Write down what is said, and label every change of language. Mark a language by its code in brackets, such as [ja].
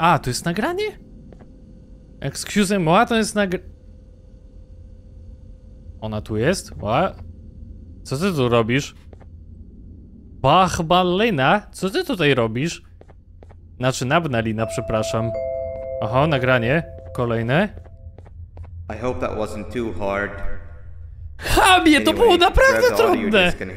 [pl] A, to jest nagranie? [en] Excuse me, [pl] to jest Ona tu jest? Co ty tu robisz? Bachbalina? Co ty tutaj robisz? Znaczy, nabnalina, przepraszam. Aha, nagranie. Kolejne. [en] I hope that wasn't too hard. [pl] Chamie, to było naprawdę trudne!